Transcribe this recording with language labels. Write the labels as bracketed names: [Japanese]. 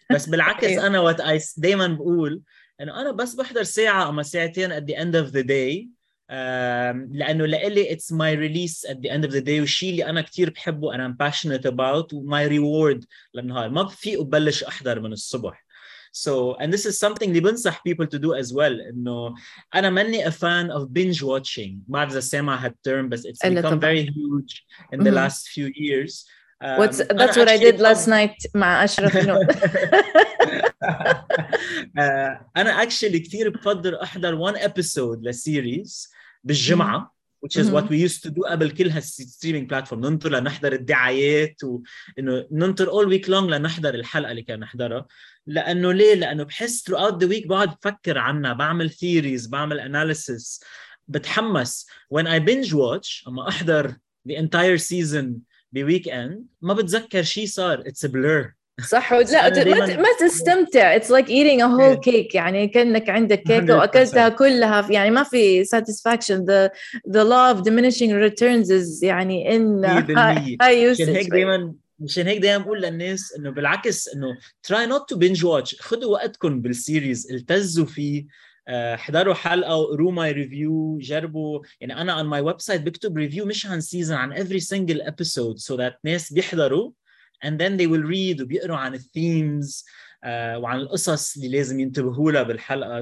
[Arabic] بس بالعكس أنا [English] what I [Arabic] دايما بقول أنه أنا بس بحضر ساعة أما ساعتين [English] at the end of the day، [Arabic] لأنه لقلي [English] it's my release at the end of the day، [Arabic] وشي اللي أنا كتير بحبه [English] and I'm passionate about my reward [Arabic] لنهار، ما بفيق وبلش أحضر من الصبح. [English] So and this is something [Arabic] اللي بنصح [English] people to do as well. [Arabic] إنه أنا ماني [English] a fan of binge watching. [Arabic] ما أعرف إذا سمع هالترم، بس [English] it's become very huge in the last few years. That's what I did last night [Arabic] مع أشرف. انا اكشلي كثير بقدر احضر وان ابيسود للسيريز بالجمعه [English] which is what we used to do [Arabic] قبل كل هالستريمينج بلاتفورم, ننطر لنحضر الدعايات وانه ننطر [English] all week long [Arabic] لنحضر الحلقه اللي كان نحضرها. لانه ليه؟ لانه بحس [English] throughout the week [Arabic] بقعد بفكر عنها, بعمل theories, بعمل analysis, بتحمس. [English] when I binge watch, [Arabic] اما احضر [English] the entire season ب weekend [Arabic] ما بتذكر شيء صار, [English] it's a blur. [Arabic] صح, لا ما تستمتع, [English] it's like eating a whole cake, [Arabic] يعني كأنك عندك كيكة وأكلتها كلها, يعني ما في satisfaction. [English] the law of diminishing returns is [Arabic] يعني [English] in high usage. [Arabic] مشان هيك دايما بقول للناس إنه بالعكس, إنه [English] try not to binge watch, [Arabic] خدوا وقتكم بالسيريز, التزوا فيه, حضروا حلقة وقروا [English] my review, [Arabic] جربوا. يعني أنا [English] on my website [Arabic] بكتب review مش عن season, عن [English] every single episode, [Arabic] so that ناس بيحضروا [English] and then they will read [Arabic] وبيقروا عن themes وعن القصص اللي لازم ينتبهوا لها بالحلقة.